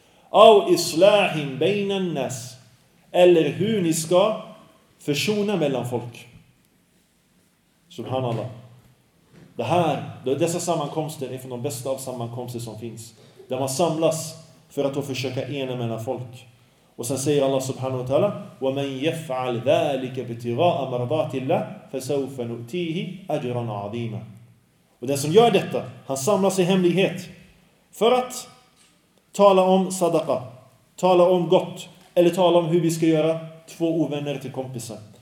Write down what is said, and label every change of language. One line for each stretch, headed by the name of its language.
Arabic: Au islahin bainan nas.
Swedish: Eller hur ni ska försona mellan folk. Subhanallah. Det här, dessa sammankomster är från de bästa av sammankomster som finns. Där man samlas för att då försöka ena mellan folk. Och sen säger Allah
Arabic: subhanahu wa ta'ala: وَمَنْ يَفْعَلْ ذَٰلِكَ بِتِغَاءَ مَرْضَاتِ اللَّهِ فَسَوْفَ نُؤْتِيهِ أَجْرًا عَظِيمًا.
Swedish: Och den som gör detta, han samlas i hemlighet för att tala om sadaqa, tala om gott, eller tala om hur vi ska göra 2 ovänner till kompisar.